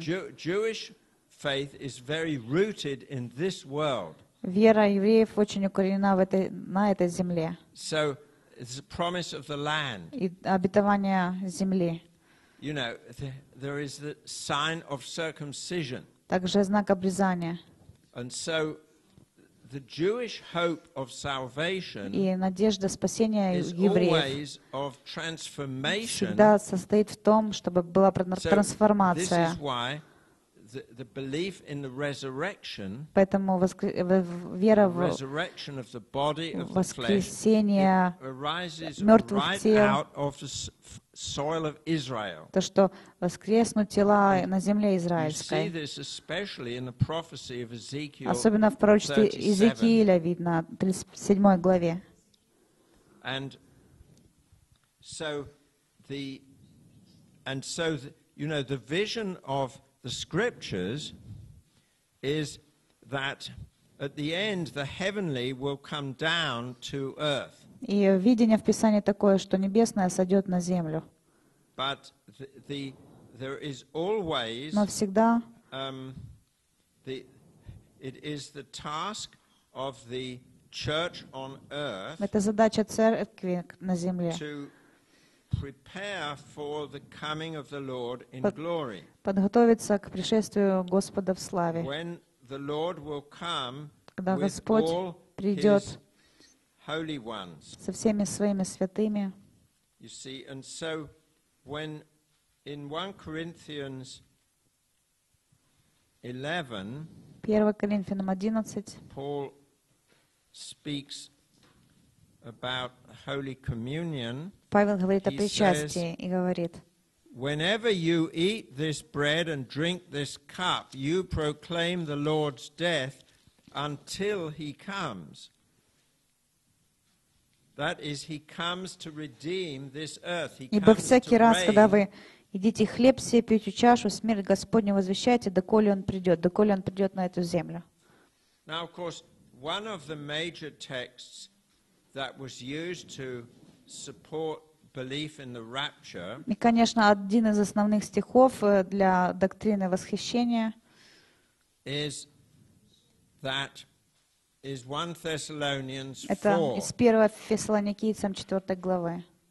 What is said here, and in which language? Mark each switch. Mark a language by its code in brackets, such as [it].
[en] Jewish faith is very rooted in this world. [ru] Вера евреев очень укоренена в этой на этой земле. [en] So it's a promise of the land. [ru] И обетование земли. [en] You know, there is the sign of circumcision. [ru] Также знак обрезания. [en] And so the Jewish hope of salvation [ru] и надежда спасения евреев [en] always of transformation. [ru] Всегда состоит в том, чтобы была трансформация. [en] So this is why the belief in the resurrection. [ru] Поэтому вера в [en] resurrection of the body of the flesh. [ru] Воскресение мёртвых [en] right [ru] тел. [en] Out of the soil of Israel. [ru] То, что воскреснут тела на земле израильской. [en] You see this especially in the prophecy of Ezekiel. [ru] Особенно в пророчестве Иезекииля видно, 37 главе. [en] And so you know, the vision of the scriptures is that at the end the heavenly will come down to earth. [ru] И видение в Писании такое, что небесное сойдет на землю. [en] But there is always. [ru] Но всегда. [en] It is the task of the church on earth. [ru] Это задача церкви на земле. [en] To prepare for the coming of the Lord in glory. [ru] Подготовиться к пришествию Господа в славе. [en] When the Lord will come. [ru] Когда Господь придет. [en] Holy ones. [ru] Со всеми своими святыми. [en] You see, and so when in 1 Corinthians 11, [ru] 1 Коринфянам 11, [en] Paul speaks about Holy Communion. [ru] Павел говорит о причастии и говорит: [en] whenever you eat this bread and drink this cup, you proclaim the Lord's death until he comes. That is, he comes to redeem this earth. He comes to reign. [ru] Ибо всякий раз, когда вы едите хлеб сей, пьете чашу, смерть Господню возвещаете, доколе он придет, доколе он придет на эту землю. [en] Now, of course, one of the major texts that was used to support belief in the rapture. [ru] И, конечно, один из основных стихов для доктрины восхищения. [en] Is that? Is 1 Thessalonians 4. [ru] Это из 1 Фессалоникийцам 4 главы.